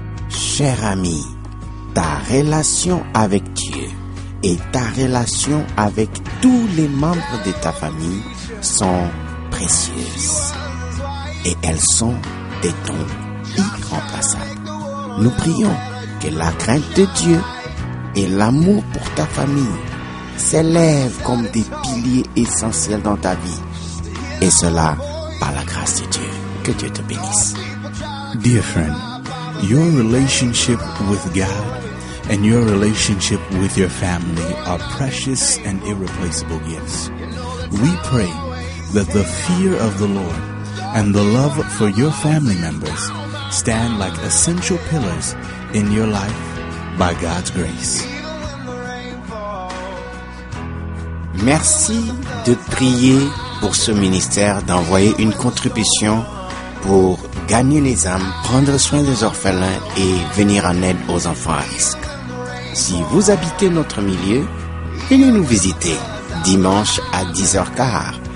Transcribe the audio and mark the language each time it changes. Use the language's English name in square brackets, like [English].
[French] Cher ami, ta relation avec Dieu et ta relation avec tous les membres de ta famille sont précieuses et elles sont des dons irremplaçables. Nous prions que la crainte de Dieu et l'amour pour ta famille s'élèvent comme des piliers essentiels dans ta vie et cela par la grâce de Dieu. Que Dieu te bénisse. [English] Dear friend, your relationship with God and your relationship with your family are precious and irreplaceable gifts. We pray that the fear of the Lord and the love for your family members stand like essential pillars in your life by God's grace. [French] Merci de prier pour ce ministère, d'envoyer une contribution pour gagner les âmes, prendre soin des orphelins et venir en aide aux enfants à risque. Si vous habitez notre milieu, venez nous visiter dimanche à 10h15.